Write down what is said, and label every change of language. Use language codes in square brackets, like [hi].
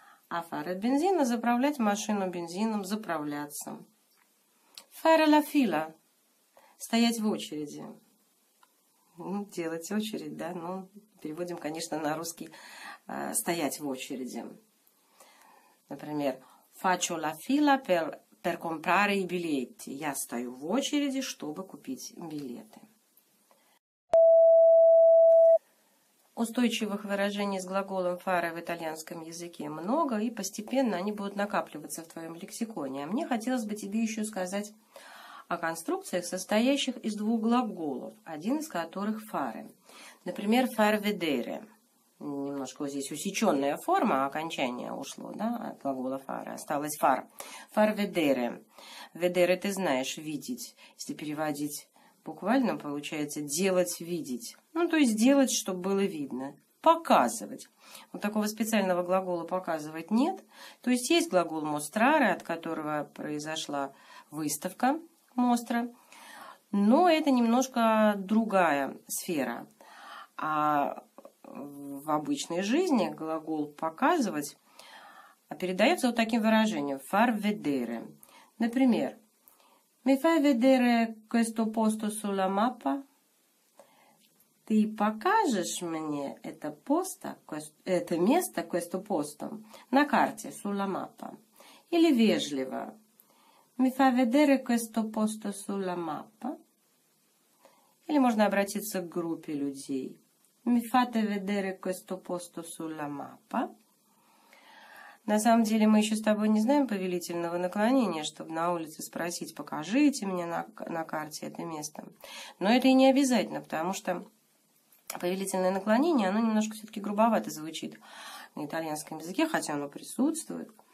[ru] А fare бензина – заправлять машину бензином, заправляться. [it] Fare la fila [ru] – стоять в очереди. Делать очередь, да? Ну, переводим, конечно, на русский «стоять в очереди». Например, [it] faccio la fila per comprare i biglietti. [ru] Я стою в очереди, чтобы купить билеты. Устойчивых выражений с глаголом fare в итальянском языке много, и постепенно они будут накапливаться в твоем лексиконе. А мне хотелось бы тебе еще сказать о конструкциях, состоящих из двух глаголов, один из которых fare. Например, [it] far vedere. [ru] Немножко вот здесь усеченная форма, окончание ушло, да, от глагола fare. Осталось far. [it] Far vedere. [ru] Vedere, ты знаешь, видеть. Если переводить буквально, получается, делать, видеть. Ну, то есть, делать, чтобы было видно. Показывать. Вот такого специального глагола «показывать» нет. То есть, глагол «mostrare», от которого произошла выставка «mostra». Но это немножко другая сфера. А в обычной жизни глагол «показывать» передается вот таким выражением [it] «far vedere». Например, «mi fai vedere questo posto sulla mappa?» [ru] Ты покажешь мне это posto, это место, [it] questo posto, [ru] на карте, [it] sulla mappa. [ru] Или вежливо. [it] Mi fa vedere questo posto sulla mappa. [ru] Или можно обратиться к группе людей. [it] Mi fate vedere questo posto sulla mappa. [ru] На самом деле мы еще с тобой не знаем повелительного наклонения, чтобы на улице спросить, покажите мне на карте это место. Но это и не обязательно, потому что повелительное наклонение, оно немножко все-таки грубовато звучит на итальянском языке, хотя оно присутствует.